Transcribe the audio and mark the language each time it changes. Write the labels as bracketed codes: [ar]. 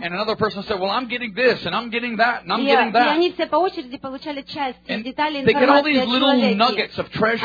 [en] And another person said, well, I'm getting this, and I'm getting that, and I'm getting that. [ru] И они все по очереди получали части, детали, информации. [en] They get all these little nuggets of treasure.